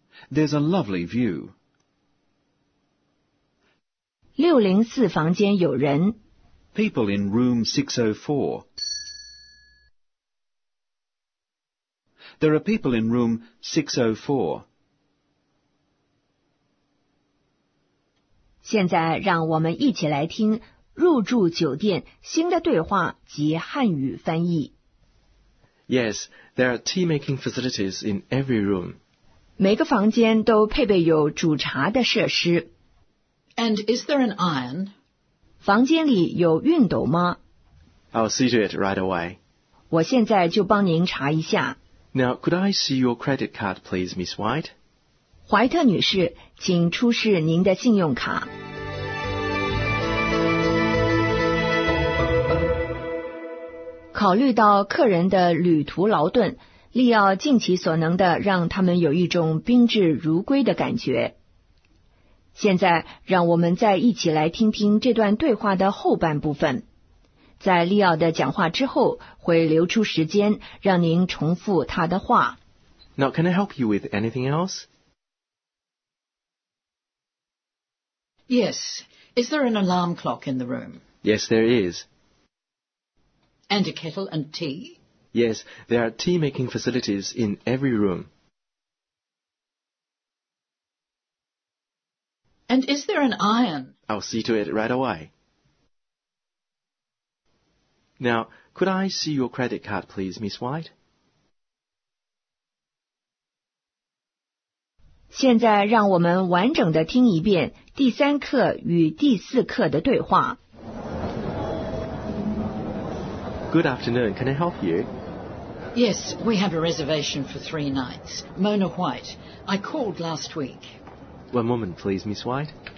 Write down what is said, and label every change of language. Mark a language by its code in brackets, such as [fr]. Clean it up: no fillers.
[en] There's a lovely view. [zh] 604房间有人。 [en] People in room 604. There are people in room 604. [zh] 现在让我们一起来听入住酒店新的对话及汉语翻译。 [en] Yes, there are tea making facilities in every room. [zh] 每个房间都配备有煮茶的设施。 [en] And is there an iron? [zh] 房间里有熨斗吗？ [en] I'll see to it right away. [zh] 我现在就帮您查一下。 [en] Now, could I see your credit card, please, Miss White? [zh] 怀特女士，请出示您的信用卡。考虑到客人的旅途劳顿，利奥尽其所能的让他们有一种宾至如归的感觉。现在让我们再一起来听听这段对话的后半部分，在利奥的讲话之后会留出时间让您重复他的话。 [en] Now can I help you with anything else? Yes, is there an alarm clock in the room? Yes, there is. And a kettle and tea? Yes, there are tea making facilities in every room And is there an iron? I'll see to it right away. Now, could I see your credit card, please, Miss White? [zh] 现在让我们完整的听一遍第三课与第四课的对话。 [en] Good afternoon. Can I help you? Yes, we have a reservation for 3 nights. Mona White, I called last week. One moment, please, Miss White.